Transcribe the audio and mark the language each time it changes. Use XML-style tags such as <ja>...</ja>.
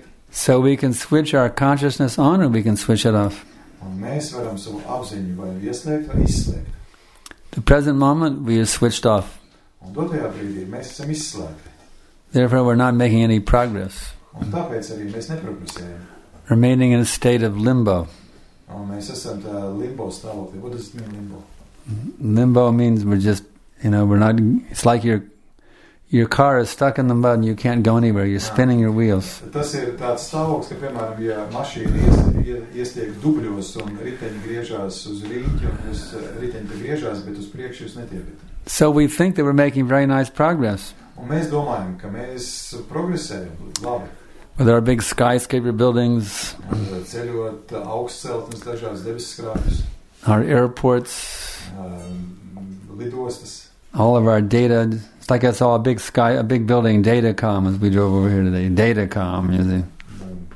<en>So we can switch our consciousness on or we can switch it off. The present moment, we are switched off.</en> <lv>Un do tajā brīdī mēs esam izslēgti.</lv> <en>Therefore we're not making any progress.</en> <lv>Un tāpēc arī mēs neprogresējam.</lv> <en>Remaining in a state of limbo.</en> <lv>Un mēs esam tā limbo stāvoklī.</lv> <en>What does it mean limbo? Limbo means we're just, you know, we're not, it's like your car is stuck in the mud and you can't go anywhere. You're spinning your wheels.</en> <lv>Tas ir tāds stāvoklis, ka, piemēram, ja mašīna iestiek dubļos un riteņi griežās uz rīķi, un uz riteņi te griežās, bet uz priekšu jūs netiekat.</lv> <en>So we think that we're making very nice progress.</en> <lv>Un mēs domājam, ka mēs progresējam labi.</lv> <en>But there are big skyscraper buildings.</en> <lv>Ceļot augstceltnes dažās debesskrāpjus.</lv> <en>Our airports.</en> <lv>Lidostas.</lv> <en>All of our data, it's like I saw a big building, Datacom, as we drove over here today. Datacom, you see.</en>